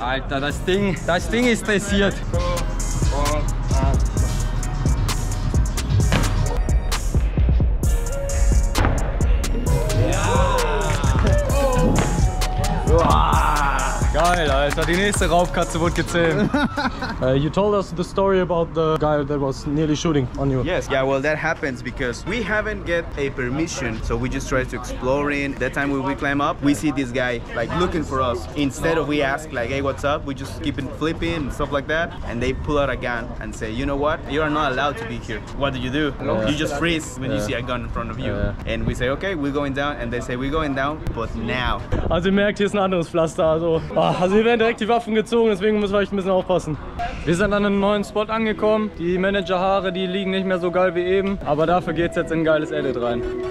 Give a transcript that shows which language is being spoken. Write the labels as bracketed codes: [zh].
[de] Alter, das Ding ist dressiert. Geil, Alter, die nächste Raubkatze wurde gezähmt. [en] You told us the story about the guy that was nearly shooting on you. Yes, yeah, well, that happens because we haven't get a permission, so we just tried to explore in. That time when we climb up, we see this guy, like, looking for us. Instead of we ask, like, hey, what's up? We just keep it flipping and stuff like that. And they pull out a gun and say, you know what? You are not allowed to be here. What do? Yeah. You just freeze when you see a gun in front of you. Yeah. And we say, okay, we're going down. And they say, we're going down, but now. [de] Also, ihr merkt, hier ist ein anderes Pflaster, also. Also hier werden direkt die Waffen gezogen, deswegen müssen wir euch ein bisschen aufpassen. Wir sind an einem neuen Spot angekommen. Die Managerhaare, die liegen nicht mehr so geil wie eben. Aber dafür geht's jetzt in ein geiles Edit rein.